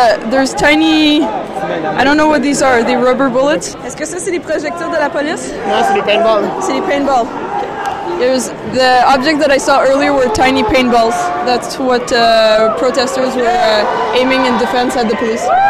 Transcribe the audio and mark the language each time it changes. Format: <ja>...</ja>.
<en>there's tiny, I don't know what these are, the rubber bullets.</en> <fr>Est-ce que ça c'est les projectiles de la police? Non, c'est les paintballs. C'est les paintballs.</fr> <en>There's the object that I saw earlier were tiny paintballs. That's what protesters were aiming in defense at the police.</en>